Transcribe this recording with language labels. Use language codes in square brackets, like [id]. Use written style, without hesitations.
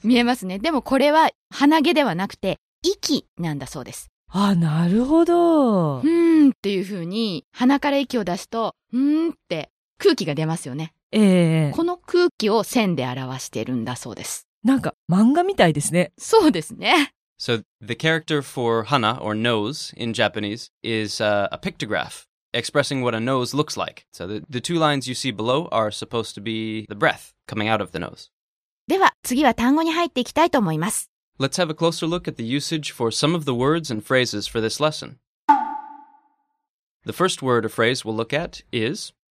[ja] 見えますね。でもこれは鼻毛ではなくて、息なんだそうです。あ、なるほど。っていう風に鼻から息を出すと、って空気が出ますよね。この空気を線で表してるんだそうです。なんか漫画みたいですね。そうですね。 [en] So the character for hana or nose in Japanese is a pictograph expressing what a nose looks like. So the two lines you see below are supposed to be the breath coming out of the nose. [ja] では次は単語に入っていきたいと思います。 [en] Let's have a closer look at the usage for some of the words and phrases for this lesson. The first word or phrase we'll look at is